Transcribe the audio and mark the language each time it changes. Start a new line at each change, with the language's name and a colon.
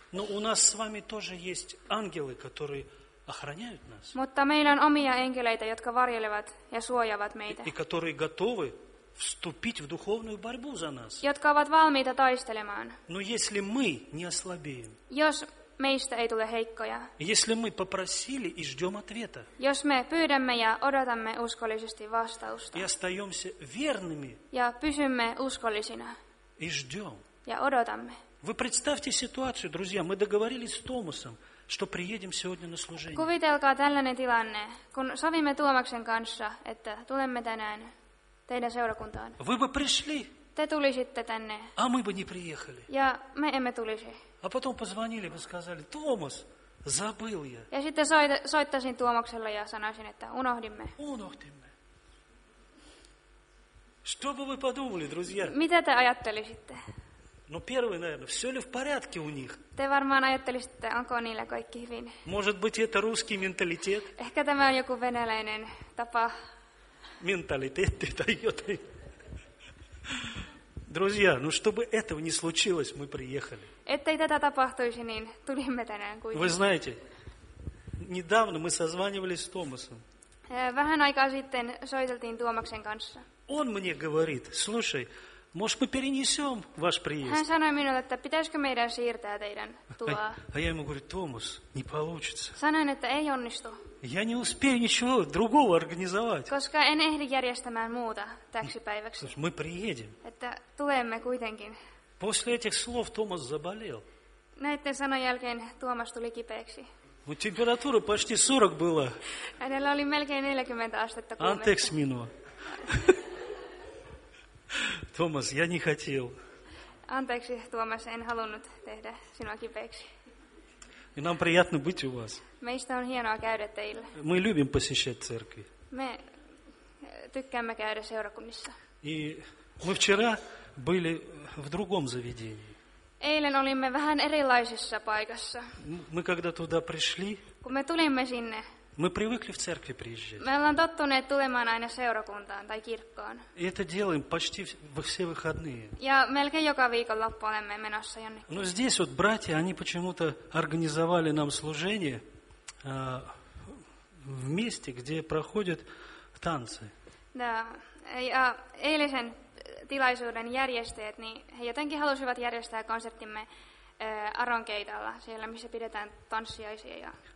Russian: Но у нас с вами тоже есть ангелы, которые охраняют нас.
Finnish: Mutta meillä on omia enkeleitä, jotka varjelevat ja suojaavat meitä.
Russian: И которые готовы вступить в духовную борьбу за нас.
Finnish: Jotka ovat valmiita taistelemaan.
Russian: Но если мы не ослабеем.
Finnish: Jos meistä ei tule heikkoja.
Russian: Если мы попросили и ждём ответа.
Finnish: Jos me pyydämme ja odotamme uskollisesti vastausta.
Russian: И остаёмся верными.
Finnish: Ja pysymme uskollisina.
Russian: И ждём.
Finnish: Ja odotamme.
Russian: Вы представьте ситуацию, друзья, мы договорились с Томасом, что приедем сегодня на служение.
Finnish: Kuvitelkaa tällainen tilanne, kun sovimme Tuomaksen kanssa, että tulemme tänään teidän seurakuntaan.
Russian: Вы бы пришли.
Finnish: Te tulisitte tänne.
Russian: А мы бы не приехали.
Finnish: Ja me emme tulisi.
Russian: А потом позвонили бы, сказали: "Томас, забыл я".
Finnish: Ja sitten soittasin Tuomakselle ja sanoisin, että unohdimme. Unohdimme.
Russian: Что бы вы подумали, друзья?
Finnish: Mitä te ajattelisitte?
Russian: Ну, первое, наверное, все ли в порядке у них?
Finnish: Te varmaan ajattelisitte, onko niillä kaikki hyvin.
Russian: Может быть, это русский менталитет?
Finnish: Ehkä tämä on joku venäläinen tapa. Менталитет tai jotain.
Russian: Друзья, ну чтобы этого не случилось, мы приехали.
Finnish: Ettei tätä tapahtuisi, niin tulimme tänään kuitenkin.
Russian: Вы знаете, недавно мы созванивались с Томасом.
Finnish: Vähän aikaa sitten soiteltiin Tuomaksen kanssa.
Russian: Он мне говорит: "Слушай, может, мы перенесем ваш приезд?"
Finnish: Hän sanoi minulle, että pitäisikö meidän siirtää teidän tuloa.
Russian: А я ему говорю: "Томас, не получится".
Finnish: Sanoin, että ei onnistu.
Russian: Я не успею ничего другого организовать.
Finnish: Koska en ehdi järjestämään muuta täksi päiväksi.
Russian: Мы приедем.
Finnish: Että tulemme kuitenkin.
Russian: После этих слов Томас заболел.
Finnish: Näiden sanojen jälkeen Tuomas tuli kipeäksi.
Russian: Ну, температура почти 40 была.
Finnish: Hänellä oli melkein 40 astetta kuumetta. Anteeksi minua.
Russian: Томас, я не хотел.
Finnish: Anteeksi, Tuomas, en halunnut tehdä sinua kipeäksi.
Russian: И нам приятно быть у вас.
Finnish: Meistä on hienoa käydä teillä.
Russian: Мы любим посещать церкви.
Finnish: Me tykkäämme käydä seurakunnissa.
Russian: И мы вчера были в другом заведении.
Finnish: Eilen olimme vähän erilaisessa paikassa.
Russian: Мы когда туда пришли,
Finnish: kun me tulimme sinne,
Russian: мы привыкли в церкви приезжать.
Finnish: Me ollaan tottuneet tulemaan aina seurakuntaan tai kirkkoon.
Russian: И это делаем почти все выходные.
Finnish: Ja melkein joka viikonloppu olemme menossa jonnekin.
Russian: Но здесь вот братья, они почему-то организовали нам служение в месте, где проходят танцы.
Finnish: Да, ja eilisen tilaisuuden järjestäjät, niin he jotenkin halusivat järjestää konserttimme Aronkeitalla, siellä missä pidetään tanssiaisia ja